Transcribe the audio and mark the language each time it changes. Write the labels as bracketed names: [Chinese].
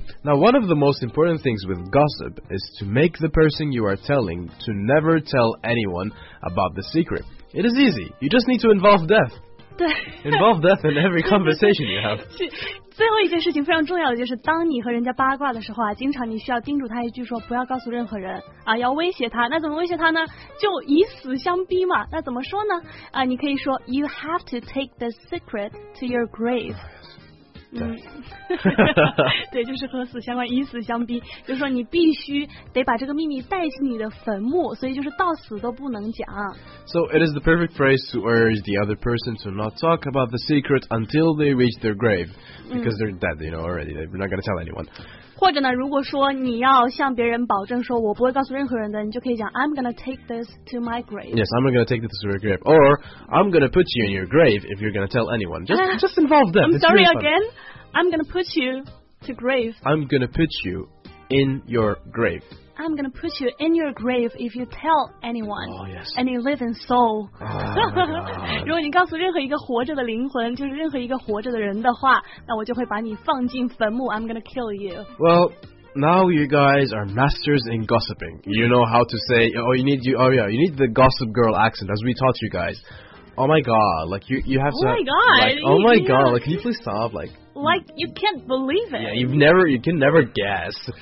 [English] Now, one of the most important things with gossip is to make the person you are telling to never tell anyone about the secret. It is easy. You just need to involve death. [Chinese] 对 [English] involved up in every conversation you have. [Chinese] 最后一件事情非常重要的就是，当你和人家八卦的时候啊，经常你需要叮嘱他一句说不要告诉任何人啊，要威胁他。那怎么威胁他呢？就以死相逼嘛。那怎么说呢？啊，你可以说 [English] you have to take the secret to your grave。 [Chinese] 嗯，对，就是和死相关，以死相逼，就是说你必须得把这个秘密带进你的坟墓，所以就是到死都不能讲。 [English] So it is the perfect phrase to urge the other person to not talk about the secret until they reach their grave, because they're dead, you know, already. They're not gonna tell anyone. [Chinese] 或者呢，如果说你要向别人保证说我不会告诉任何人的，你就可以讲 [English] I'm gonna take this to my grave. Yes, I'm gonna take this to my grave, or I'm gonna put you in your grave if you're gonna tell anyone. Just involve them. I'm sorry again. I'm gonna put you to grave. I'm gonna put you in your grave. I'm gonna put you in your grave if you tell anyone. Oh, yes. And you live in soul. Oh, God. [Chinese] 如果你告诉任何一个活着的灵魂，就是任何一个活着的人的话，那我就会把你放进坟墓。 [English] I'm gonna kill you. Well... Now you guys are masters in gossiping. You know how to say, you need the gossip girl accent, as we taught you guys. Oh my god, like you have to... Oh my god! Oh my god, can you please stop? Like you can't believe it! Yeah, you can never guess.